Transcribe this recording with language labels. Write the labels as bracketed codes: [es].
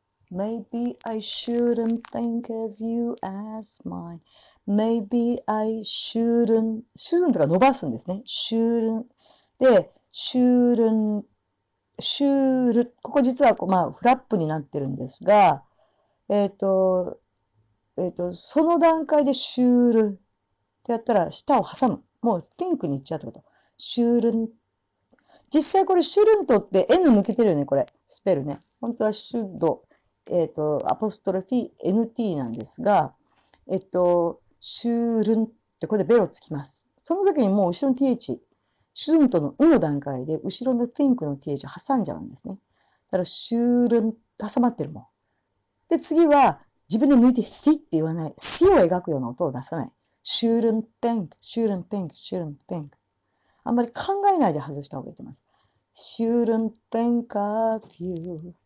[en] Maybe I shouldn't think of you as mine. Maybe I shouldn't. [ja] shouldn't が伸ばすんですね。 [en] shouldn't。 で、shouldn't。 [ja] シュール、ここ実はこう、まあ、フラップになってるんですが、その段階でシュールってやったら、舌を挟む。もう、think に行っちゃうってこと。シュールン。実際これ、シュルントって N 抜けてるよね、これ。スペルね。本当はシュッド、アポストロフィー NT なんですが、シュールンって、ここでベロつきます。その時にもう、後ろの TH。シュルントのうの段階で、後ろの think の th 挟んじゃうんですね。だから、シュールンって挟まってるもん。で、次は、自分で抜いて、ひって言わない。しを描くような音を出さない。シュールン think、シュールン think、シュールン think。あんまり考えないで外した方がいいと思います。 [en] シュールン think of you。